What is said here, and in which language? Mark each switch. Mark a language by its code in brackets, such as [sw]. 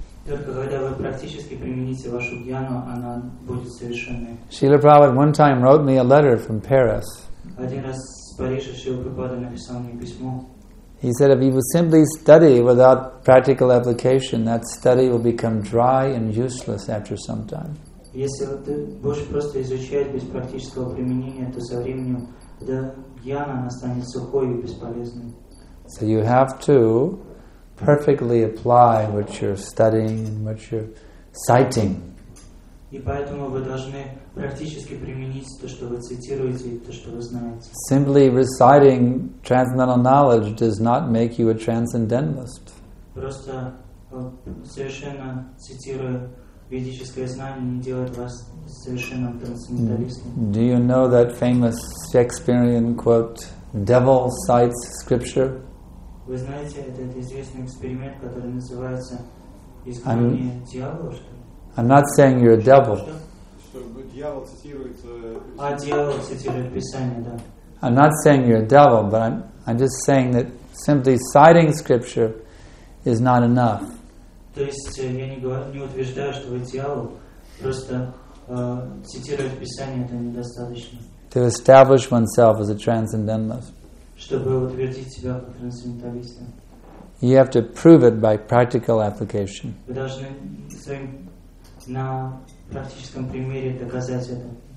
[en] Srila Prabhupada one time wrote me a letter from Paris. He said, if you will simply study without practical application, that study will become dry and useless after some time. [ru] Если ты будешь просто изучать без практического применения, то со временем гьяна станет сухой и бесполезной. [en] So you have to perfectly apply what you're studying and what you're citing. [ru] И поэтому вы должны практически применить то, что вы цитируете, и то, что вы знаете. [en] Simply reciting transcendental knowledge does not make you a transcendentalist. [ru] Просто совершенно цитируя ведическое знание не делает вас совершенно трансценденталистом. [en] Do you know that famous Shakespearean quote, "Devil cites scripture"? [ru] Вы знаете этот известный эксперимент, который называется искушение дьявола, что ли? [en] I'm not saying you're a devil. [ru] Дьявол цитирует Писание, да. [en] I'm not saying you're a devil, but I'm just saying that simply citing scripture is not enough. [ru] То есть я не утверждаю, что вы дьявол, просто цитировать Писание это недостаточно. [en] To establish oneself as a transcendentalist. [ru] Чтобы утвердить себя как трансценденталиста. [en] You have to prove it by practical application. [ru] Вы должны своим на практическом примере доказать это.